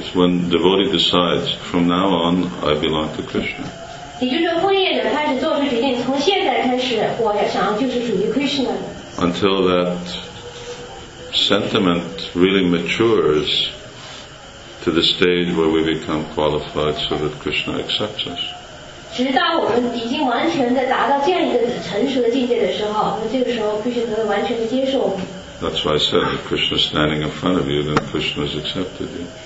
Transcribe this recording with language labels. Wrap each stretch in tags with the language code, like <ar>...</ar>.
<en>It's when the devotee decides, from now on, I belong to Krishna.</en> <zh>也就是说，奉献者开始做出决定，从现在开始，我想就是属于 Krishna 的。</zh> <en>Until that sentiment really matures to the stage where we become qualified so that Krishna accepts us.</en> <zh>直到我们已经完全的达到这样一个成熟的境界的时候，那这个时候 Krishna 会完全的接受我们。</zh> <en>That's why I said if Krishna is standing in front of you, then Krishna has accepted you.</en>